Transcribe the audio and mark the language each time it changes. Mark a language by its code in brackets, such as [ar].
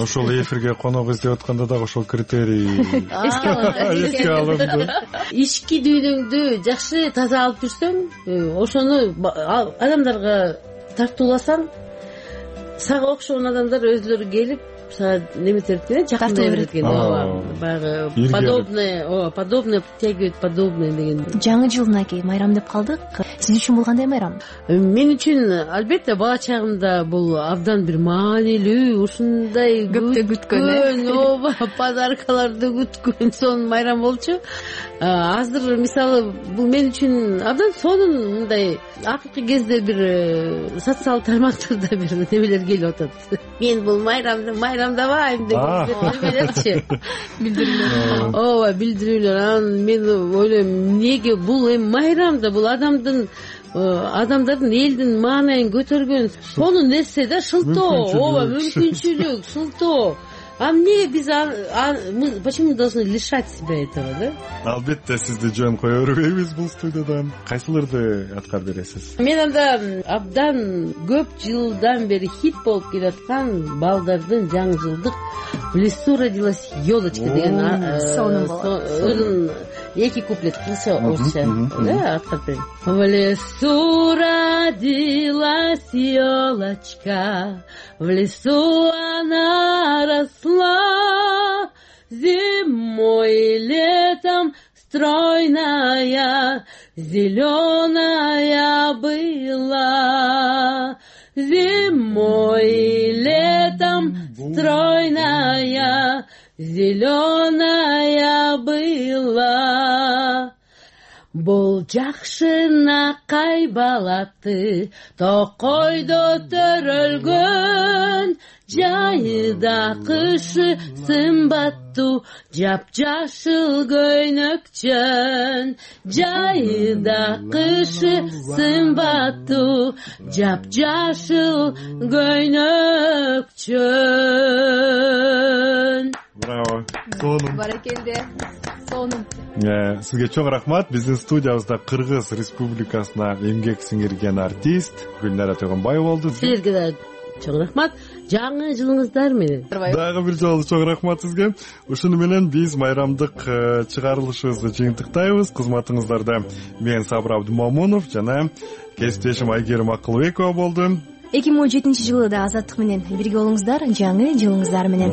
[ky] Ошол эфирге конок издеп атканда дагы ошол критерий эске алынды. Ички дүйнөңдү жакшы таза алып жүрсөң, ошону адамдарга тартууласаң, сага окшогон адамдар өзүлөрү келип сага неметет экен, жакындай берет экен. Баягы подобное тягивает подобное деген. Жаңы жыл мынакей майрам деп калдык, сиз үчүн бул кандай майрам? Мен үчүн албетте бала чагымда бул абдан бир маанилүү, ушундай көптө күткөн подаркаларды күткөн сонун майрам болчу. Азыр мисалы бул мен үчүн абдан сонун, мындай акыркы кезде бир социалдык тармактарда бир немелер келип атат, мен бул майрамды майрамдабайм дегендерчи билдирүүлөр. Ооба, билдирүүлөр. Анан мен ойлойм, эмнеге бул эми майрам да, бул адамдын адамдардын элдин маанайын көтөргөн сонун нерсе да, шылтоо. Ооба, мүмкүнчүлүк, шылтоо. [ru] А мне без мы почему должны лишать себя этого, да? [ky] Албетте сизди жөн кое бербейбиз бул студиядан. Кайсыларды аткар бересиз? Мен анда абдан көп жылдан бери хит болуп келаткан балдардын жаңы жылдык "В лесу родилась ёлочка" деген сонун эки куплет кылса орусча, да, аткар берем. [ru] "В лесу родилась ёлочка, в лесу она росла, зимой и летом стройная, зеленая была. Зимой и летом стройная, зеленая была. [ky] Бул жакшынакай балаты токойдо төрөлгөн, жайыда кышы сымбаттуу жапжашыл көйнөкчөн, жайыда кышы сымбаттуу жапжашыл көйнөкчөн. Браво, сонун. Баракелде, сонун. Сизге чоң рахмат. Биздин студиябызда Кыргыз Республикасына эмгек сиңирген артист Гүлнара Тоебанбаева болду. Силерге да Чоң рахмат, жаңы жылыңыздар менен. Дагы бир жолу чоң рахмат сизге. Ушуну менен биз майрамдык чыгарылышыбызды жыйынтыктайбыз. Кызматыңыздарда мен Сабыр Абдымомунов жана кесиптешим Айгерим Акылбекова болдум. 2017 жылы да азаттык менен бирге болуңуздар, жаңы жылыңыздар менен.